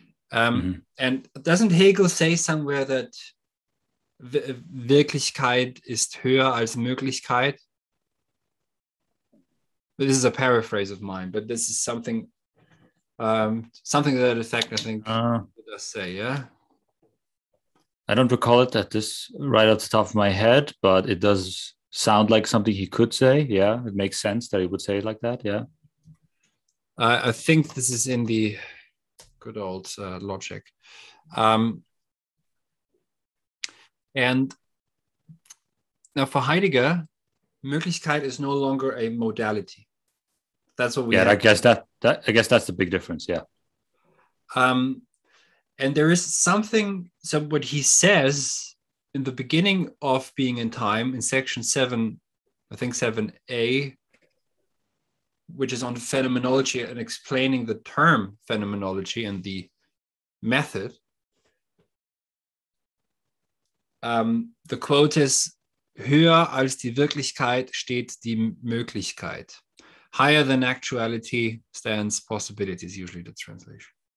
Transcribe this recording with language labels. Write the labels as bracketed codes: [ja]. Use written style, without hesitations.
[en] And doesn't Hegel say somewhere that [de] Wirklichkeit ist höher als Möglichkeit? [en] But this is a paraphrase of mine, but this is something something to that effect, I think, it does say, yeah? I don't recall it at this right off the top of my head, but it does sound like something he could say, yeah? It makes sense that he would say it like that, yeah? I think this is in the good old logic. And now for Heidegger, Möglichkeit is no longer a modality. That's what we have. I guess that's the big difference. Yeah. And there is something. So what he says in the beginning of Being in Time in section 7, I think 7a, which is on phenomenology and explaining the term phenomenology and the method. The quote is, [de] höher als die Wirklichkeit steht die Möglichkeit. [en] Higher than actuality stands possibility, is usually the translation.